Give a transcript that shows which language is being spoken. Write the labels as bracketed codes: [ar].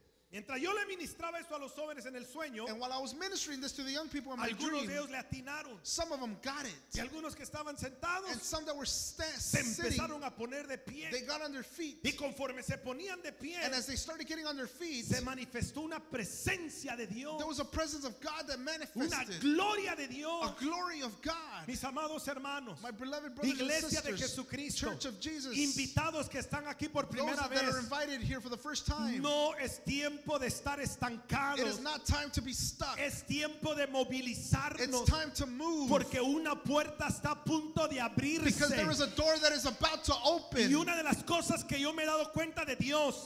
[es] Mientras yo le ministraba esto a los jóvenes en el sueño, [en] and while I was ministering this to the young people in my dream, [es] algunos de ellos le atinaron. [en] Some of them got it. [es] Y algunos que estaban sentados, [en] and some that were sitting, [es] se empezaron a poner de pie. [en] They got on their feet. [es] Y conforme se ponían de pie, [en] and as they started getting on their feet, [es] se manifestó una presencia de Dios. [en] There was a presence of God that manifested. [es] Una gloria de Dios. [en] A glory of God. [es] Mis amados hermanos, [en] my beloved brothers [es] Iglesia [en] and sisters, [es] de Jesucristo, [en] Church of Jesus, [es] invitados que están aquí por primera vez, [en] that are invited here for the first time, [es] no es tiempo. De estar estancado. [en] It is not time to be stuck. [es] Es tiempo de movilizarnos. [en] It's time to move. [es] Porque una puerta está a punto de abrirse. [en] Because there is a door that is about to open. [es] Y una de las cosas que yo me he dado cuenta de Dios,